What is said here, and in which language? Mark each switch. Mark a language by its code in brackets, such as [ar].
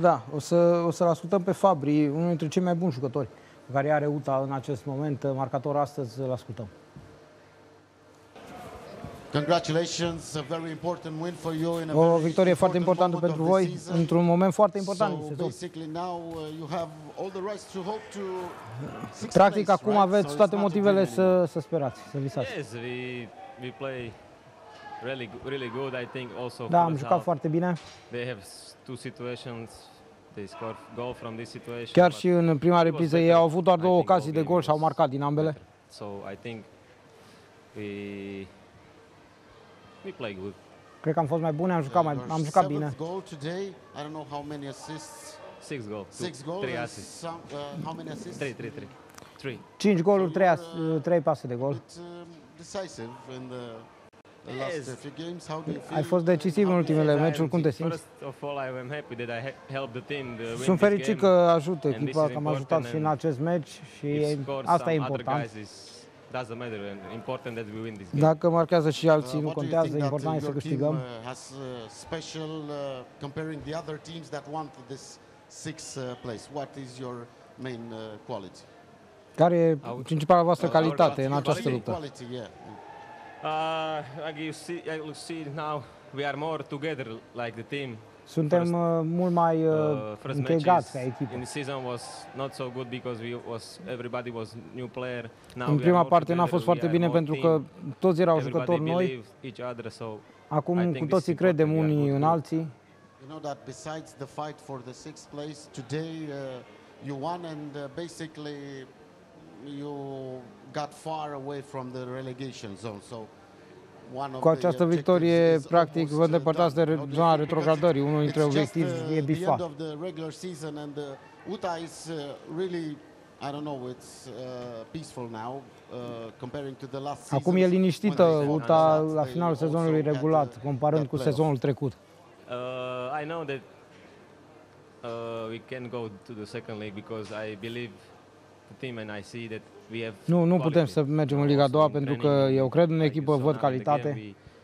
[ro] Da, o să-l ascultăm pe Fabri, unul dintre cei mai buni jucători care are UTA în acest moment, marcator astăzi, îl ascultăm. [en] Congratulations, a very important win for you in a [ro] O victorie foarte importantă pentru voi într-un moment foarte important din sezon. [en] Basically now you have all the rights to hope to [ro] Practic acum aveți toate motivele să sperați, să visați. [en] Yes, we play really good, I think also. [ro] Da, am jucat foarte bine. [en] They have two situations. They score goal from this situation. [ro] Chiar și în prima repriză ei au avut doar două ocazii de gol și au marcat din ambele. [en] Better. So I think we play good. [ro] Cred că am fost mai bun, am jucat bine. [en] Goal today. I don't know how many assists. Six goals. Six goals. Three assists. How many assists? Three. [ro] 5 goluri, 3 pase de gol. [en] Decisive in the last few games. How do you feel? [ro] Ai fost decisiv în ultimele meciuri, cum te simți? [en] First of all, I am happy that I helped the team win. [ro] Sunt fericit că ajut echipa, că am ajutat și în acest meci și asta e important. [en] Doesn't matter. Important that we win this game. [ro] Dacă marchează și alții, nu contează. Important e să câștigăm. [en] Has special comparing the other teams that won this sixth place. What is your main quality? [ro] Care e principala voastră calitate în această luptă? [en] Like you see now, we are more together like the team. [ro] Suntem mult mai integrați ca echipă. [en] In the season was not so good because everybody was new player. [ro] În prima parte n-a fost foarte bine pentru că toți erau jucători noi. Acum cu toții credem unii în alții. [en] You know that besides the fight for the sixth place today you won and basically you got far away from the relegation zone. So [ro] cu această victorie, practic, vă îndepărtați de zona retrogradării. Unul dintre obiectivi e bifat. [en] End of the regular season and the UTA is really, I don't know, it's peaceful now comparing to the last season. [ro] Acum e liniștită UTA la finalul sezonului regulat, comparând cu sezonul trecut. [en] I know that we can go to the second league because I believe the team and I see that. [ro] Nu, nu putem să mergem în Liga a doua pentru că eu cred în echipă, văd calitate.